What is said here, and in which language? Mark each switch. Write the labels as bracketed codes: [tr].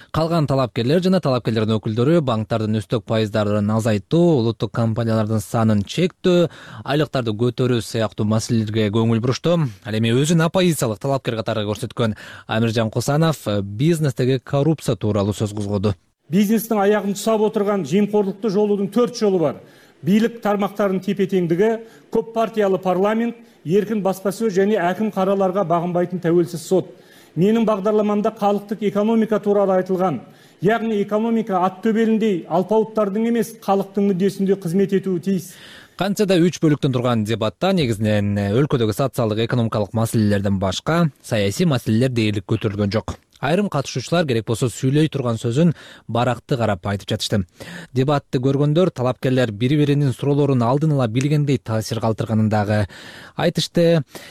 [ky] Калган талапкерлер жана талапкерлердин өкүлдөрү банктардын өстөк пайыздарын азайтуу, улуттук компаниялардын санын чектөө, айлыктарды көтөрүү сыяктуу маселелерге көңүл бурушту. Ал эми өзүн оппозициялык талапкер катары көрсөткөн Амиржан Кусанов бизнестеги коррупция тууралуу сөз козгоду. [kk] Бизнестің аяғын тұсап отырған жемқорлықты жолудың 4 жолы бар. Билік тармақтарының тепе-теңдігі, көп партиялы парламент, еркін баспасөз және әкім қараларға бағынбайтын тәуелсіз сот. Менің бағдарламамда халықтық экономика туралы айтылған, яғни экономика ат төбеліндей алпауыттардың емес, халықтың мүддесінде қызмет етуі тиіс. [ky] Канча да 3 бөлүктөн турган дебатта негизинен өлкөдөгү социалдык экономикалык маселелерден башка саясий маселелер дээрлик көтөрүлгөн жок. Айрым катышуучулар керек болсо сүйлөй турган сөзүн баракты карап айтып жатышты. Дебатты көргөндөр талапкерлер бири-биринин суроолорун алдын ала билгендей таасир калтырганын дагы айтышты.